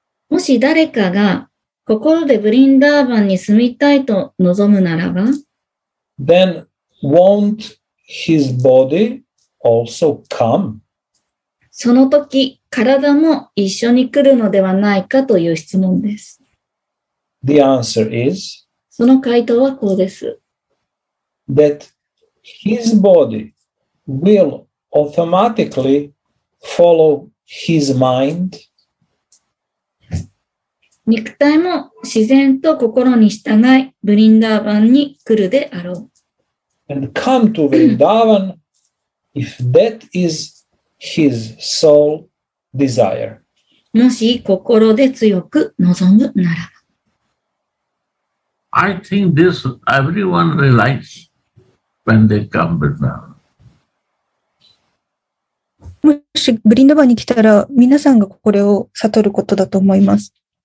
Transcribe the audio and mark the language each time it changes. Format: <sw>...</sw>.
<ja>もし誰かが心でブリンダーバンに住みたいと望むならば、</ja> <en>then Won't his body also come?</en> <ja>その時、体も一緒に来るのではないかという質問です。</ja> <en>The answer is,</en> <ja>その回答はこうです。</ja> <en>That his body will automatically follow his mind.</en> <ja>肉体も自然と心に従い、ブリンダーバンに来るであろう。</ja> <en>And come to Vrindavan if that is his soul desire.</en> <ja>もし心で強く望むなら。</ja> <en>I think this everyone realizes when they come to Vrindavan.</en> <ja>もしブリンダバンに来たら皆さんがこれを悟ることだと思います。</ja>